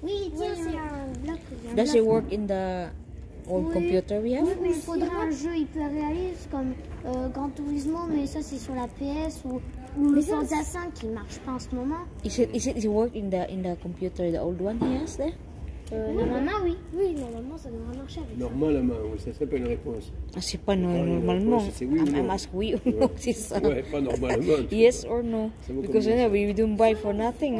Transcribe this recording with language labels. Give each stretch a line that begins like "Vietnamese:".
English: Does it work in the old computer we have?
French: Oui, il faudra un jeu hyper réaliste comme Gran Turismo, mais ça c'est sur la PS ou les Forza 5 qui ne marchent pas en ce moment.
English: Is it work in the computer, the old one he has there?
French: Normalement, oui. Oui, normalement, ça devrait marcher avec normalement, ça. Normalement, ça s'appelle une réponse. Ah, c'est pas normalement. Normalement. C'est oui ou non.
English: I'm asking
French: oui ou non, c'est ça. Ouais, pas normalement.
English: Yes or no. Because you know, we don't buy for nothing.